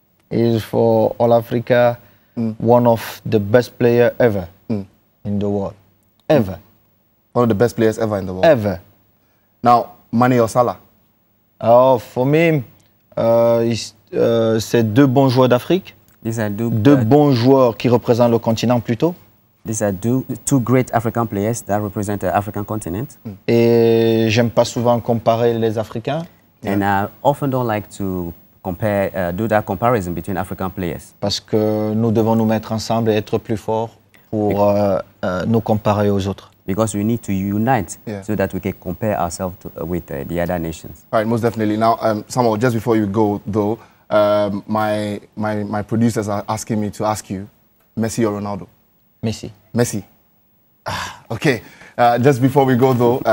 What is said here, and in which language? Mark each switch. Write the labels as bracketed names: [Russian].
[English] He's for All Africa, one of the best players ever in the world. Ever. One of the best players ever in the world. Ever. Now, Mané or Salah? Oh, for me, [French] c'est deux bons joueurs d'Afrique. [English] These are [French] deux bons joueurs qui représentent le continent plutôt. [English] These are two great African players that represent the African continent. [French] Et j'aime pas souvent comparer les Africains. [English] And yeah. I often don't like to compare, do that comparison between African players. [French] Parce que nous devons nous mettre ensemble et être plus forts pour nous comparer aux autres. [English] Because we need to unite so that we can compare ourselves with the other nations. All right, most definitely. Now, Samuel, just before you go, though, my producers are asking me to ask you, Messi or Ronaldo? Messi. Messi. Ah, okay. Just before we go, though.